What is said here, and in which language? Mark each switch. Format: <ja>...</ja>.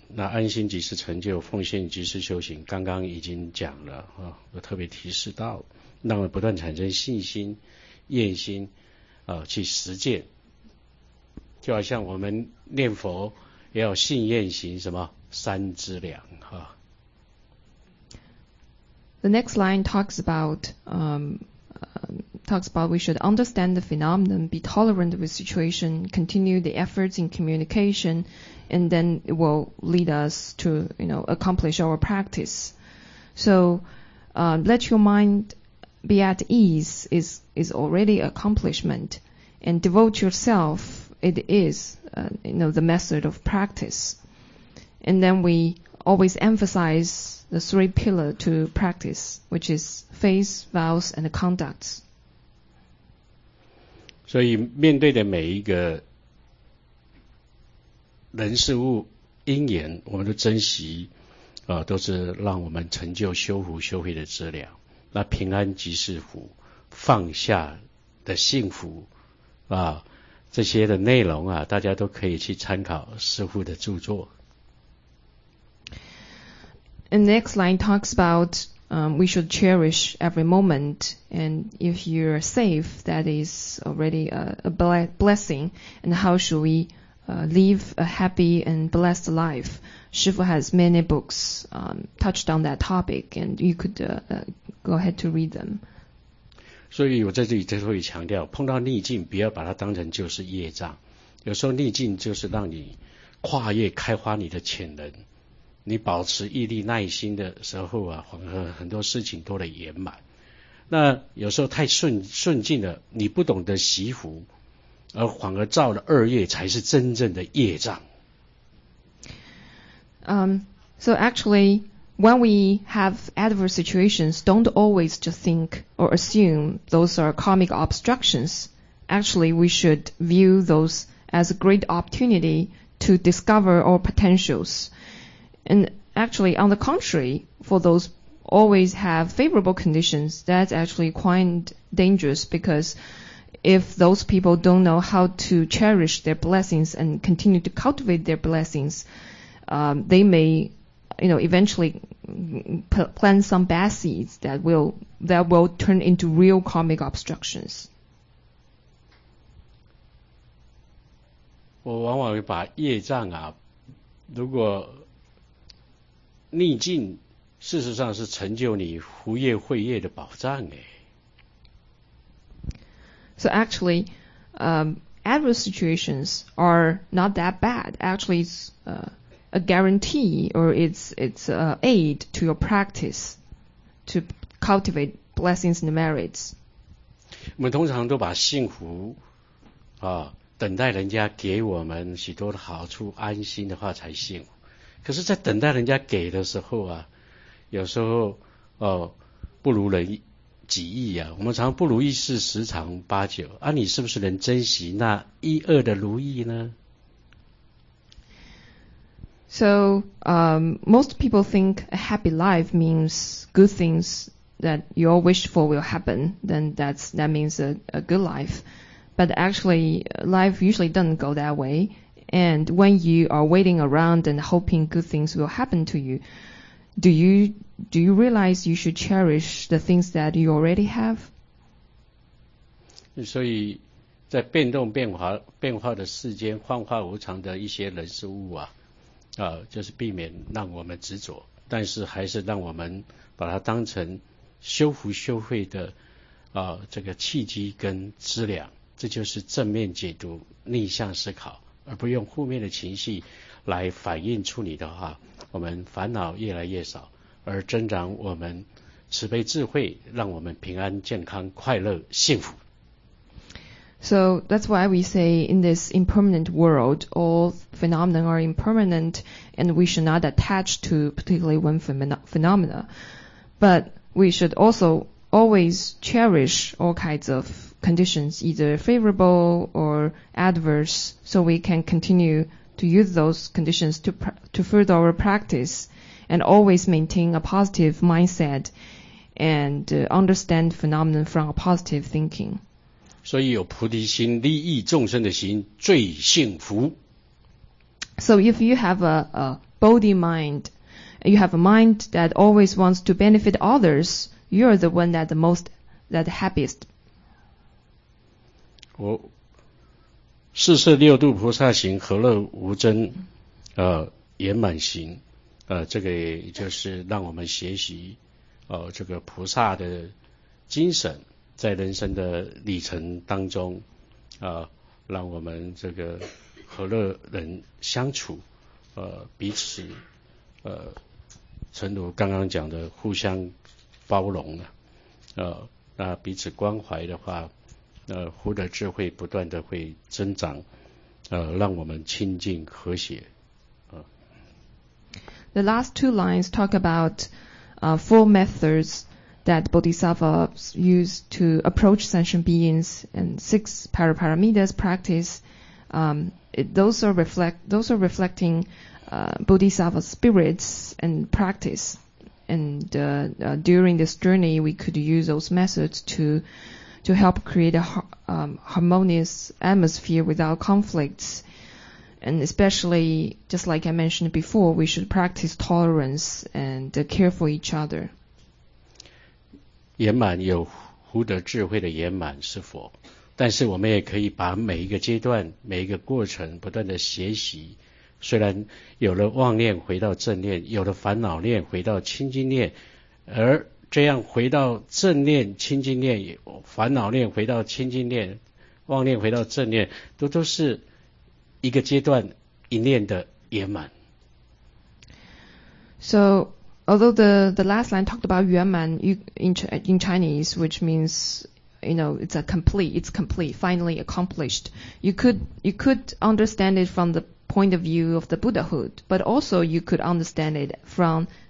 <zh>那安心即是成就，奉献即是修行，刚刚已经讲了我特别提示到，让我们不断产生信心愿心去实践，就好像我们念佛也要信愿行什么三资粮。</zh> <en>The next line talks about we should understand the phenomenon, be tolerant with situation, continue the efforts in communication, and then it will lead us to accomplish our practice. So let your mind be at ease is already accomplishment. And devote yourself, it is the method of practice. And then we always emphasize the three pillars to practice, which is faith, vows, and conducts.</en> <zh>所以面对的每一个人事物因缘，我们都珍惜都是让我们成就修福修慧的资粮。那平安即是福，放下的幸福这些的内容大家都可以去参考师父的著作。</zh> <en>And next line talks about we should cherish every moment. And if you're safe, that is already a blessing. And how should we live a happy and blessed life? Shifu has many books touched on that topic, and you could go ahead to read them.</en> <zh>所以我在这里最后也强调，碰到逆境，不要把它当成就是业障。有时候逆境就是让你跨越、开发你的潜能。你保持毅力、耐心的时候啊，反而很多事情都得圆满。那有时候太顺境了，你不懂得惜福，而反而造了恶业，才是真正的业障。</zh> <en>So actually, when we have adverse situations, don't always just think or assume those are karmic obstructions. Actually, we should view those as a great opportunity to discover our potentials. And actually, on the contrary, for those always have favorable conditions, that's actually quite dangerous, because if those people don't know how to cherish their blessings and continue to cultivate their blessings, they may, you know, eventually plant some bad seeds that will turn into real karmic obstructions.</en> <zh>我往往会把业障啊，如果逆境，事实上是成就你福业慧业的保障哎。</zh> <en>So actually, adverse situations are not that bad. Actually, it's a guarantee, or it's aid to your practice to cultivate blessings and merits.</en> <zh>我们通常都把幸福啊等待人家给我们许多的好处，安心的话才幸福。可是，在等待人家给的时候啊，有时候不如人己意啊。我们常不如意事十常八九啊，你是不是能珍惜那一二的如意呢？</zh> <en>So, most people think a happy life means good things that you all wish for will happen. Then that means a good life. But actually, life usually doesn't go that way. And when you are waiting around and hoping good things will happen to you, do you realize you should cherish the things that you already have?</en> <zh>所以在变动变化的世间，幻化无常的一些人事物啊，就是避免让我们执着，但是还是让我们把它当成修福修慧的这个契机跟资粮。这就是正面解读，逆向思考。而不用负面的情绪来反映出你的话，我们烦恼越来越少，而增长我们慈悲智慧，让我们平安健康快乐幸福。</zh> <en>So that's why we say in this impermanent world, all phenomena are impermanent, and we should not attach to particularly one phenomena, but we should also always cherish all kinds of conditions, either favorable or adverse, so we can continue to use those conditions to further our practice and always maintain a positive mindset and understand phenomena from a positive thinking.</en> <zh>所以有菩提心，利益众生的心最幸福。</zh> <en>So if you have a Bodhi mind, you have a mind that always wants to benefit others, you're the one that the happiest.</en> <zh>四摄六度菩萨行，何乐无争，圆满行，这个也就是让我们学习，这个菩萨的精神，在人生的旅程当中，让我们这个和乐人相处，彼此，诚如刚刚讲的，互相包容了，那彼此关怀的话。福的智慧不断的会增长，让我们清净和谐。</zh> <en>The last two lines talk about four methods that bodhisattvas use to approach sentient beings, and six paraparamitas practice. Those are reflecting bodhisattva spirits and practice. And during this journey, we could use those methods to help create a harmonious atmosphere without conflicts. And especially, just like I mentioned before, we should practice tolerance and care for each other.</en> <zh>圆满有福德智慧的圆满是佛，但是我们也可以把每一个阶段每一个过程不断的学习，虽然有了妄念回到正念，有了烦恼念回到清净念，而这样回到正念清净念，烦恼念回到清净念，妄念回到正念，都是一个阶段一念的圆满。</zh> <en>So although the last line talked about 圆满 in Chinese, which means, you know, it's complete, finally accomplished, you could understand it from the point of view of the Buddhahood, but also you could understand it from</en>